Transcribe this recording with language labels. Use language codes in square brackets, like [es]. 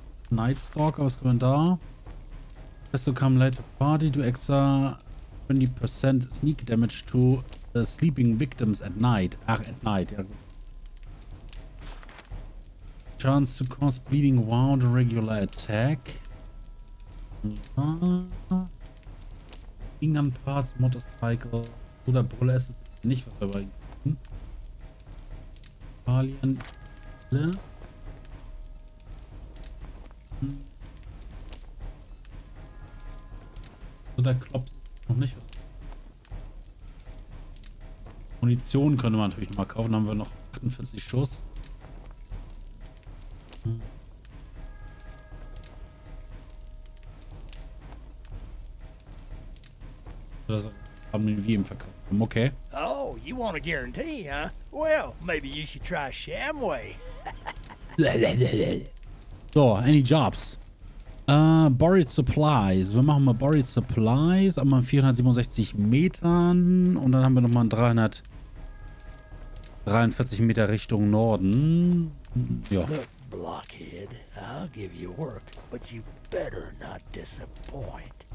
[de] Nightstalker, was können wir da? [en] Best to come late to party, do extra 20% sneak damage to the sleeping victims at night. Ach, at night, ja. Chance to cause bleeding wound, regular attack. Ingram Parts, Motorcycle. [de] Oder Brille ist es nicht, was wir bei ihm. Alien. Oder Klops. Noch nicht. Munition könnte man natürlich nochmal kaufen. Dann haben wir noch 48 Schuss. Das haben wir im Verkauf. [en] Okay. Oh, you want a guarantee, huh? Well, maybe you should try Shamway. So, any jobs? Buried Supplies. [de] Wir machen mal Buried Supplies. Einmal 467 Metern. Und dann haben wir nochmal 343 Meter Richtung Norden. Ja. [en] Blockhead, I'll give you work, but you better not disappoint.